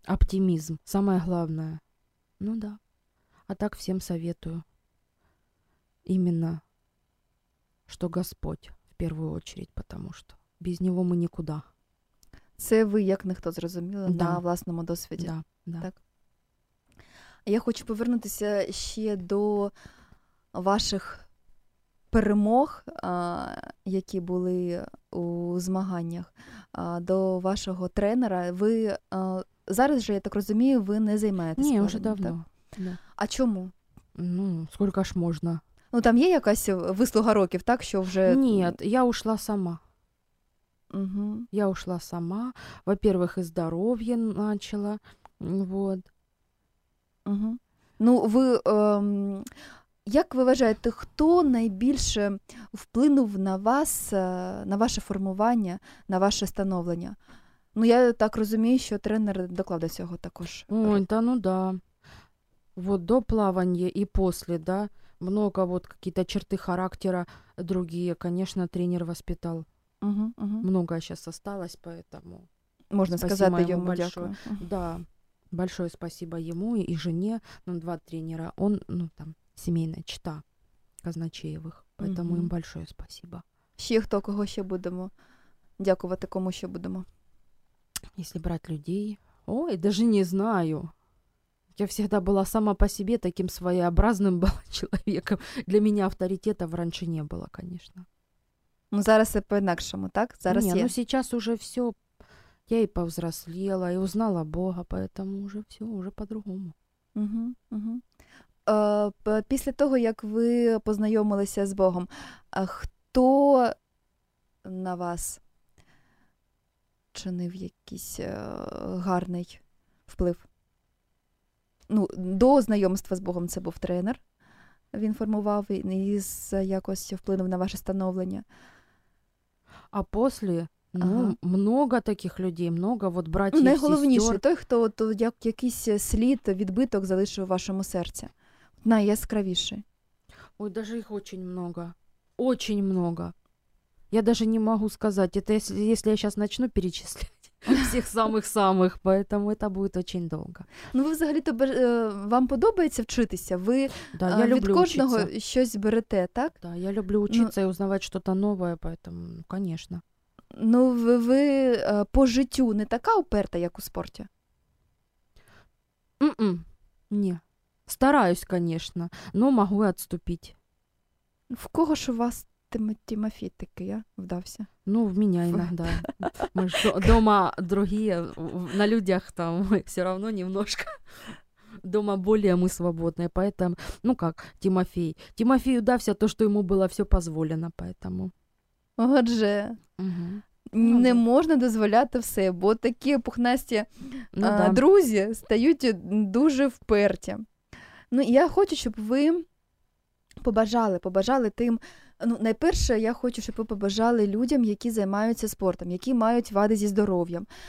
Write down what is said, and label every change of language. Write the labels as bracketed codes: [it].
[ru] Оптимизм, самое главное. Ну да. А так всем советую. Именно, что Господь в первую очередь, потому что без Него мы никуда. [uk] Це ви, як ніхто, зрозуміли на власному досвіді. [ru] Да, да. [uk] Так. Я хочу повернутися ще до ваших перемог, які були у змаганнях, до вашого тренера. Ви зараз же, я так розумію, ви не займаєтеся. Ні, вже давно. Да. А чому? Ну, скільки ж можна. Ну, там є якась вислуга років, так, що вже... [ru] Ні, я ушла сама. Угу. Я ушла сама. Во-первых, [uk] і здоров'я начала. [ru] Вот. [uk] Угу. Ну, ви... як ви вважаєте, хто найбільше вплинув на вас, на ваше формування, на ваше становлення? Ну, я так розумію, що тренер доклав до цього також. Ой, та ну да. Вот до плавання і після, да? [ru] Много вот какие-то черты характера другие, конечно, тренер воспитал. Много сейчас осталось, поэтому... Можно сказать ему большое. Да, большое спасибо ему и жене, ну, два тренера. Он, ну, там, семейная чета Казначеевых, поэтому им большое спасибо. [uk] Ще хто, кого ще будемо? Дякувати, кому ще будемо? [ru] Если брать людей... Ой, даже не знаю... Я всегда была сама по себе таким своеобразным была человеком. Для меня авторитетов раньше не было, конечно. [uk] Ну, зараз и по-инакшему, так? Зараз [ru] ну сейчас уже все. Я и повзрослела, и узнала Бога, поэтому уже все, уже по-другому. Угу, угу. После того, как вы познакомились с Богом, кто на вас [uk] чинив якийсь гарний вплив? Ну, до знайомства з Богом це був тренер, він формував і якось вплинув на ваше становлення. А після, ну, [ru] много таких людей, много, [uk] от братів, сестер. Найголовніше, той, хто от, як, якийсь слід, відбиток залишив у вашому серці. Найяскравіший. [ru] Ой, даже їх очень много. Очень много. Я даже не могу сказати. Это если я сейчас начну перечислять. [uk] Всіх самих-самих, [ru] поэтому это будет очень долго. [uk] Ну, ви взагалі-то, вам подобається вчитися? Ви [ru] да, я люблю [uk] від кожного [ru] учиться. [uk] Щось берете, так? [ru] Да, я люблю учиться ну, [uk] і узнавати щось нове, [ru] поэтому, ну, конечно. [uk] Ну, ви по життю не така уперта, як у спорті? Mm-mm. Ні. [ru] Стараюсь, конечно, но могу отступить. [uk] В кого ж у вас Тимофей такий, я вдався. Ну, в мене іноді. Ми ж вдома другі, на людях там [ru] все равно немножко. Дома более мы свободные, поэтому, ну как, Тимофей. Тимофею дався то, что ему было все позволено, поэтому. [uk] Отже, угу. Не можна дозволяти все, бо такі пухнасті друзі стають дуже вперті. Ну, я хочу, щоб ви побажали тим, ну, найперше, я хочу, щоб ви побажали людям, які займаються спортом, які мають вади зі здоров'ям.